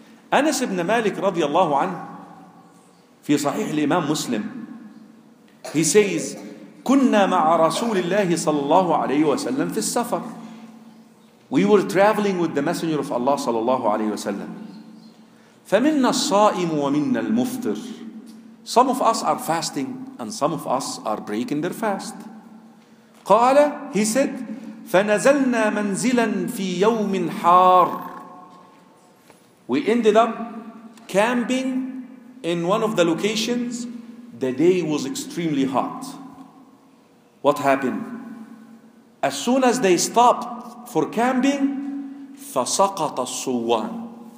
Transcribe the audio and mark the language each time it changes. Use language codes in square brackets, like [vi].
[en] Anas ibn Malik radiallahu anhu, fi sahih al-Imam Muslim, he says, [ar] كنا مع رسول الله صلى الله عليه وسلم في السفر. [en] We were traveling with the Messenger of Allah صلى الله عليه وسلم. [ar] فمنا الصائم ومنا المفطر. [en] Some of us are fasting and some of us are breaking their fast. [ar] قال, [en] he said, [ar] فنزلنا منزلا في يوم حار. [en] We ended up camping in one of the locations. The day was extremely hot. What happened? As soon as they stopped for camping, [ar] فسقط الصوان.